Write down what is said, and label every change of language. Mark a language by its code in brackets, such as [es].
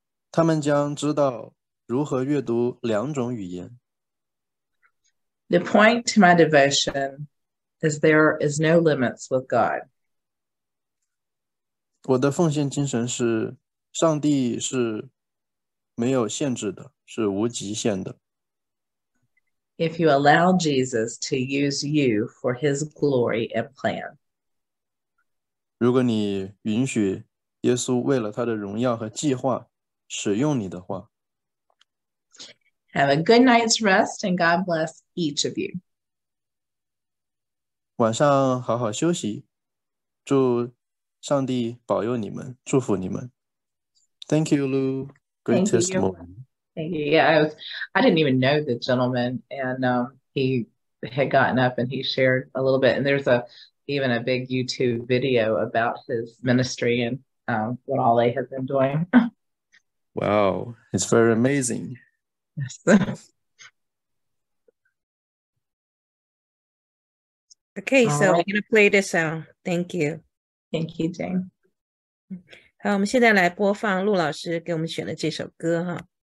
[zh] 他们将知道如何阅读两种语言。 [en] The point to my devotion is there is no limits with God. [zh] 我的奉献精神是上帝是没有限制的，是无极限的。 [en] If you allow Jesus to use you for his glory and plan. [zh] 如果你允许耶稣为了他的荣耀和计划使用你的话。 [en] Have a good night's rest and God bless each of you. [zh] 晚上好好休息，祝上帝保佑你们，祝福你们。 [en] Thank you, Lou. Great testimony. Thank you. Yeah, I didn't even know the gentleman, and he had gotten up and he shared a little bit. And there's even a big YouTube video about his ministry and what all they have been doing. Wow, it's very amazing. Yes. Okay, so I'm going to play this song. Thank you. Thank you, Jane. [zh] 好，我们现在来播放陆老师给我们选的这首歌哈。